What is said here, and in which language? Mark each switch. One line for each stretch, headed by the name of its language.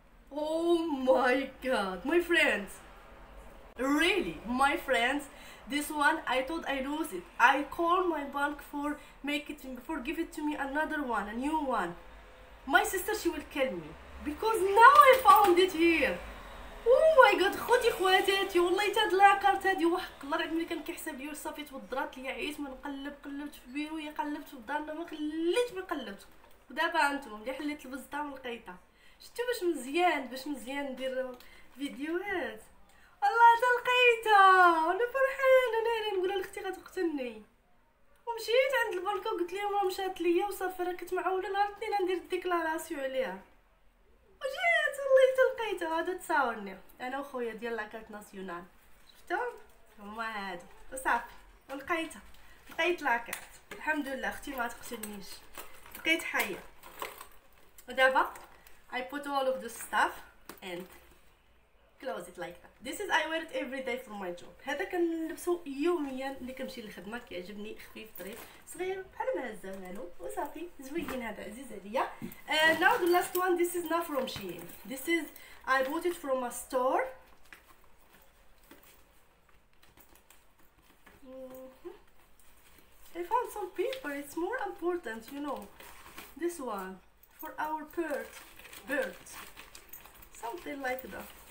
English: Oh my God, my friends. Really, my friends, this one, I thought I lose it. I call my bank for make it, for give it to me another one, a new one. My sister, she will kill me. Because now I found it here. Oh my God,
Arabic: خدي خواتاتي والله تدلع كارت هادي وحق الله العظيم اللي كان كيحسب لي وصافي تودرات لي عيت من قلب قلبت في بيرو يا قلبت في دارنا ما خليت بي قلبت ودابا انتم اللي حليت البزطه ولقيتها شفتوا باش مزيان باش مزيان ندير فيديوهات الله حتى لقيتها وانا فرحانه انا هنا نقول لاختي غتقتلني ومشيت عند البنك وقلت لهم راه مشات ليا وصافي راه كنت معوله نهار الاثنين ندير ديكلاراسيون عليها وجيت والله حتى لقيتها هذا تصاورني انا وخويا ديال لاكارت ناسيونال شفتو هما هادو وصافي ولقيتها لقيت لاكارت الحمد لله اختي ما تقتلنيش لقيت حيه ودابا
English: I put all of this stuff and close it like that. This is I wear it every day for my job.
Arabic: هذا كنلبسو يوميا ملي كنمشي للخدمه كيعجبني خفيف طريف صغير بحال ما هزه والو وصافي زوين هذا عزيز عليا.
English: Now the last one, this is not from SHEIN. This is I bought it from a store. I found some paper, it's more important, you know. This one for our bird. Something like that.